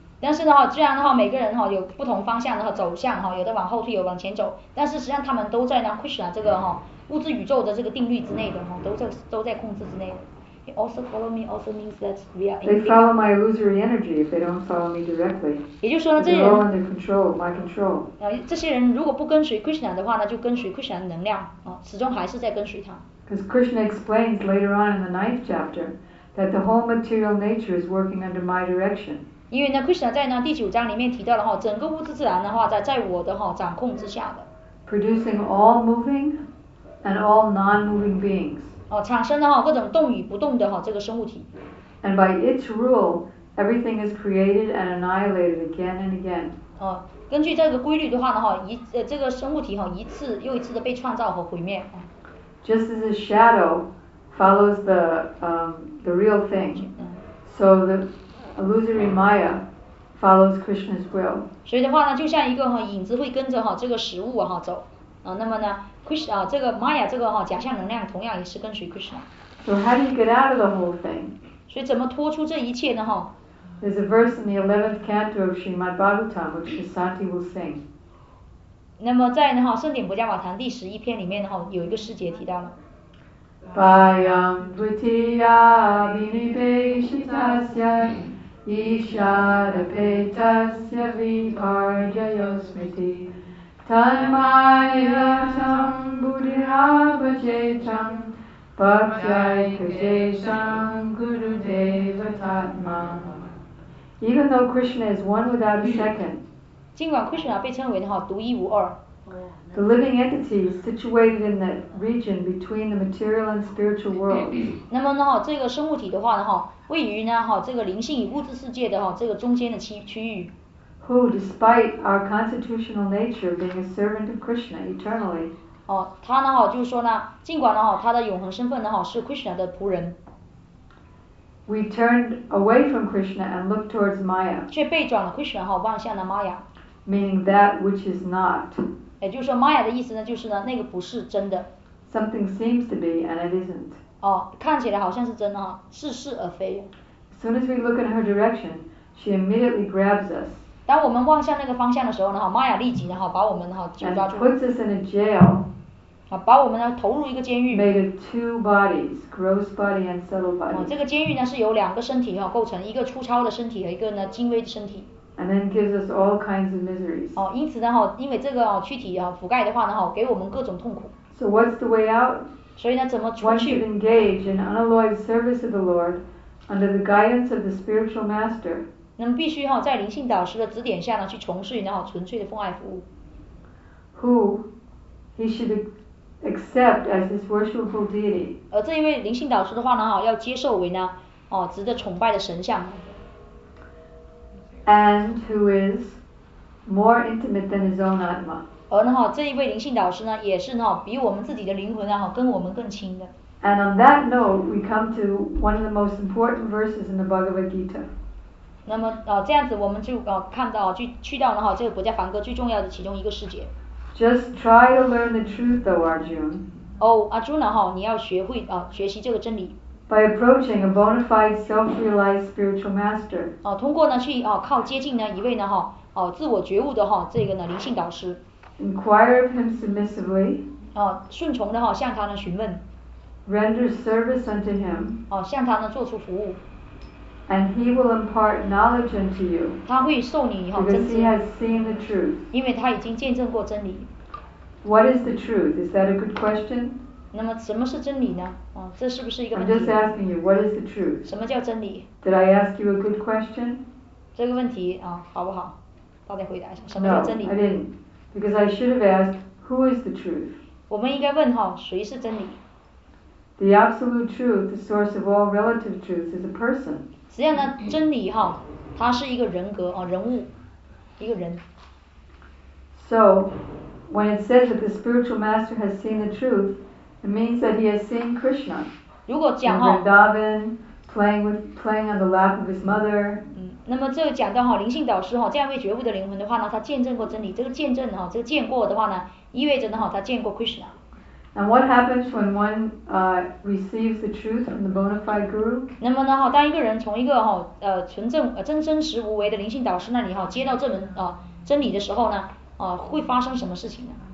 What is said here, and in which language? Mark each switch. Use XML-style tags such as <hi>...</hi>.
<zh>但是的话，虽然的话每个人哈有不同方向的走向哈，有的往后退，有往前走，但是实际上他们都在呢 Krishna 这个哈物质宇宙的这个定律之内的哈，都在控制之内的。</zh> <en>Also follow me also means that we are. They follow my illusory energy if they don't follow me directly.</en> <zh>也就是说呢，这些人</zh> <en>they're all under control, my control.</en> <zh>这些人如果不跟随 Krishna 的话呢，就跟随 Krishna 的能量，始终还是在跟随他。</zh> <en>Because Krishna explains later on in the ninth chapter that the whole material nature is working under my direction.</en> <zh>因为呢 ，Krishna 在呢第九章里面提到了哈，整个物质自然的话在我的哈掌控之下的。</zh> <en>Producing all moving and all non-moving beings.</en> <zh>产生的各种动与不动的这个生物体。</zh> <en>And by its rule, everything is created and annihilated again and again.</en> <zh>根据这个规律的话呢，这个生物体一次又一次的被创造和毁灭。</zh> <en>Just as a shadow follows the real thing, so the illusory Maya follows Krishna's will.</en> <zh>所以的话呢，就像一个影子会跟着这个实物走。那么呢 ，Krishna 这个 Maya 这个假象能量同样也是跟随 Krishna。</zh> <en>So how do you get out of the whole thing？</en> <zh>所以怎么脱出这一切呢？</zh> <en>There's a verse in the 11th canto of Srimad Bhagavatam which Shasanti will sing。</en> <zh>那么在呢圣典薄伽瓦坛第十一篇里面呢有一个师姐提到了。</zh> <sa>Bhayam dvitiya vinibheshitasya ishadapetasya viparjayosmriti。 Tanmaya sam buddhirabhachetam bhaktyai kajesam guru devatatma.</sa> <en>Even though Krishna is one without a second,</en> <zh>尽管 Krishna 被称为独一无二，</zh> <en>the living entity is situated in the region between the material and spiritual world.</en> <zh>那么呢这个生物体的话呢位于呢这个灵性与物质世界的这个中间的区域。</zh> <en>Who, despite our constitutional nature being a servant of Krishna eternally,</en> <zh>他呢就是说呢，尽管呢他的永恒身份呢是 Krishna 的仆人。</zh> <en>We turned away from Krishna and looked towards Maya.</en> <zh>却背转了 Krishna 望向了 Maya.</zh> <en>Meaning that which is not.</en> <zh>也就是说 ，Maya 的意思呢，就是呢那个不是真的。</zh> <en>Something seems to be and it isn't.</en> <zh>看起来好像是真的，似是而非。</zh> <en>As soon as we look in her direction, she immediately grabs us.</en> <zh>当我们望向那个方向的时候呢，玛雅立即呢，把我们呢，就抓住。</zh> <en>And puts us in a jail.</en> <zh>把我们呢，投入一个监狱。</zh> <en>Made of two bodies, gross body and subtle body.</en> <zh>这个监狱呢，是由两个身体构成，一个粗糙的身体和一个呢，精微的身体。</zh> <en>And then gives us all kinds of miseries.</en> <zh>因此呢，因为这个躯体覆盖的话呢，给我们各种痛苦。</zh> <en>So what's the way out?</en> <zh>所以呢，怎么出去</zh> <en>？One should engage in unalloyed service of the Lord under the guidance of the spiritual master.</en> <zh>那么必须哈在灵性导师的指点下呢，去从事然后纯粹的奉爱服务。</zh> <en>Who he should accept as his worshipful deity？</en> <zh>而这一位灵性导师的话呢，要接受为呢，值得崇拜的神像。</zh> <en>And who is more intimate than his own atma？</en> <zh>而呢，这一位灵性导师呢，也是呢，比我们自己的灵魂呢，跟我们更亲的。</zh> <en>And on that note, we come to one of the most important verses in the Bhagavad Gita。</en> <zh>那么这样子我们就看到去到了这个国家梵歌最重要的其中一个世界。</zh> <en>Just try to learn the truth, though, Arjuna.</en> <zh>Oh, Arjuna, 你要学会学习这个真理。</zh> <en>By approaching a bona fide self-realized spiritual master.</en> <zh>通过呢去靠接近呢一位呢自我觉悟的这个呢灵性导师。</zh> <en>Inquire of him submissively.</en> <zh>顺从的向他呢询问。</zh> <en>Render service unto him.</en> <zh>向他呢做出服务。</zh> <en>And he will impart knowledge unto you.</en> <zh>他会授你真</zh> <en>知。Because he has seen the truth.</en> <zh>因为他已经见证过真理。</zh> <en>What is the truth? Is that a good question?</en> <zh>那么什么是真理呢？这是不是一个问</zh> <en>题？ I'm just asking you, what is the truth?</en> <zh>什么叫真理？</zh> <en>Did I ask you a good question?</en> <zh>这个问题啊，好不好？到底回答一下，什么叫真理？</zh> <en>No, I didn't. Because I should have asked, who is the truth?</en> <zh>我们应该问哈，谁是真理？</zh> <en>The absolute truth, the source of all relative truths, is a person.</en> <zh>实际上呢，真理哈，它是一个人格啊，人物，一个人。</zh> <en>So, when it says that the spiritual master has seen the truth,It means that he has seen Krishna.</en> <zh>如果讲哈</zh> <en>，Vrindavan playing on the lap of his mother.</en> <zh>那么这个讲到哈，灵性导师哈，这样一位觉悟的灵魂的话呢，他见证过真理。这个见证哈，这个见过的话呢，意味着呢哈，他见过 Krishna.</zh> <en>And what happens when one receives the truth from the bona fide guru?</en> <zh>那么呢哈，当一个人从一个哈纯正真真实无为的灵性导师那里哈，接到这门真理的时候呢，会发生什么事情呢</zh>